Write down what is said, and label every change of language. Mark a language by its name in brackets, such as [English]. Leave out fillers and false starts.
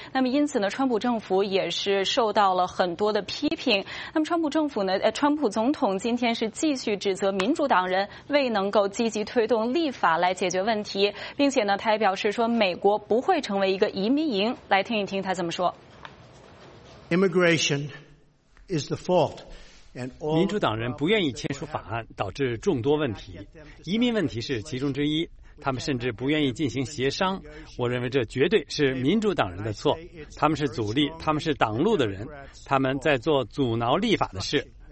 [Chinese] 那么因此呢，川普政府也是受到了很多的批评。那么川普总统今天是继续指责民主党人未能够积极推动立法来解决问题，并且呢，他也表示说美国不会成为一个移民营。来听一听他怎么说。 [English] Immigration is the fault. [Chinese] 民主党人不愿意签署法案，导致众多问题。移民问题是其中之一，他们甚至不愿意进行协商。我认为这绝对是民主党人的错，他们是阻力，他们是挡路的人，他们在做阻挠立法的事。